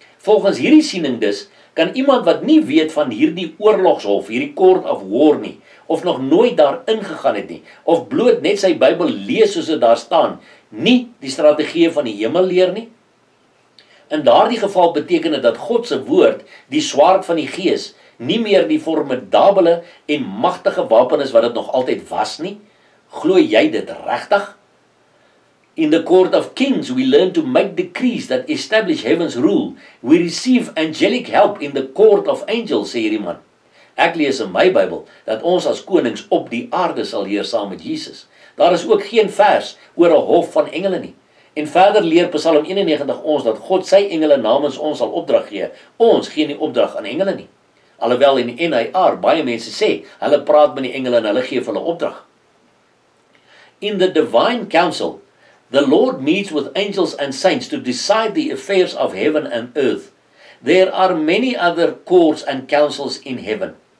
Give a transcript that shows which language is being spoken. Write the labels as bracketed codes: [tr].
[af] Volgens hierdie siening dus, kan iemand wat nie weet van hierdie oorlogshof, hierdie [en] court of war [af] nie, of nog nooit daar ingegaan het nie, of bloot net sy Bybel lees soos dit daar staan, nie die strategie van die hemel leer nie. In daardie geval beteken dit dat God se woord, die swaard van die gees, nie meer die formidabele en magtige wapen is wat dit nog altyd was nie. Glo jy dit regtig? [en] In the court of kings we learn to make decrees that establish heaven's rule. We receive angelic help in the court of angels, [af] sê hierdie man. Ek lees in my Bybel dat ons as konings op die aarde sal heers saam met Jesus. Daar is ook geen vers oor 'n hof van engele nie. En verder leer Psalm 91 ons dat God sy engele namens ons sal opdrag gee. Ons gee nie opdrag aan engele nie. Alhoewel in die N.A.R. baie mense sê, hulle praat met die engele en hulle geef hulle opdrag. [en] In the divine council, the Lord meets with angels and saints to decide the affairs of heaven and earth. There are many other courts and councils in heaven.